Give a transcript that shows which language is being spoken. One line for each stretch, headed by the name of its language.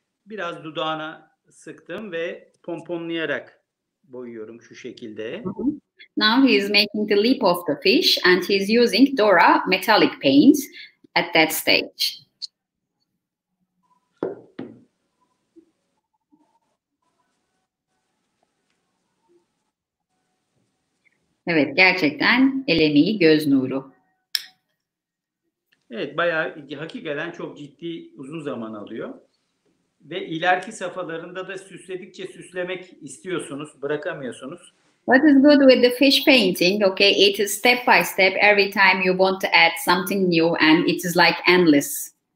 Turkish: biraz dudağına sıktım ve pomponlayarak boyuyorum şu şekilde.
English: Now he is making the lip of the fish and he is using Dora metallic paint at that stage.
Turkish: Evet, gerçekten el emeği göz nuru. Evet, bayağı hakikaten çok ciddi uzun zaman alıyor. Ve ileriki safhalarında da süsledikçe süslemek istiyorsunuz, bırakamıyorsunuz.
English: What is good with the fish painting? Okay, it is step by step. Every time you want to add something new, and it is like endless.